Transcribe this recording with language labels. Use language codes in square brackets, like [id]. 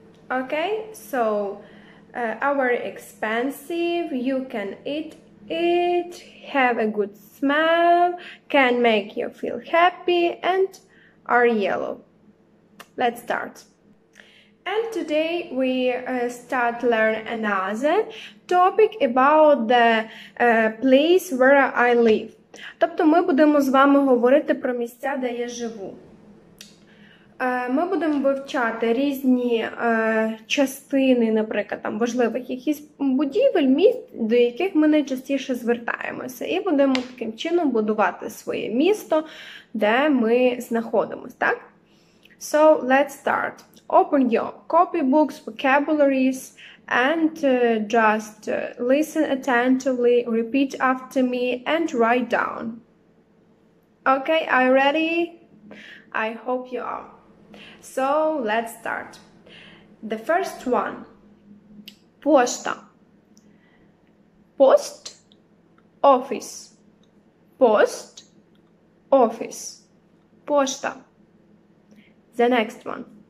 [en] Okay, so are very expensive, you can eat it, have a good smell, can make you feel happy, and are yellow. Let's start. And today we start learn another topic about the place where I live. [uk] Тобто ми будемо з вами говорити про місця, де я живу. Ми будемо вивчати різні частини, наприклад, там важливих якихось будівель, міст, до яких ми найчастіше звертаємося. І будемо таким чином будувати своє місто, де ми знаходимося, так? [en] So, let's start. Open your copybooks, vocabularies, and just listen attentively, repeat after me, and write down. Okay, are you ready? I hope you are. So, let's start. The first one. Пошта. Post. Office. Post. Office. Пошта. The next one.